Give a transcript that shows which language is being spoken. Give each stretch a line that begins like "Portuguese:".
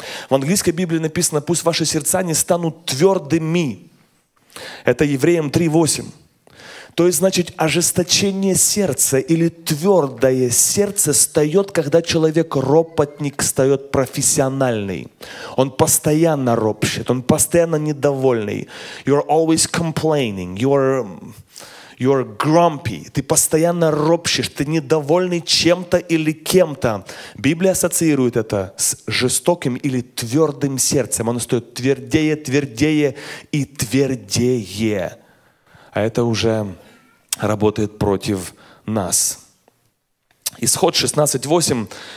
Russian: В английской Библии написано, пусть ваши сердца не станут твердыми. Это Евреям 3:8. То есть, значит, ожесточение сердца или твердое сердце встает, когда человек ропотник, встает профессиональный. Он постоянно ропщет, он постоянно недовольный.
English: You're always complaining, you're grumpy.
Russian: Ты постоянно ропщешь, ты недовольный чем-то или кем-то. Библия ассоциирует это с жестоким или твердым сердцем. Оно стоит твердее, твердее и твердее. А это уже работает против нас. Исход 16:8.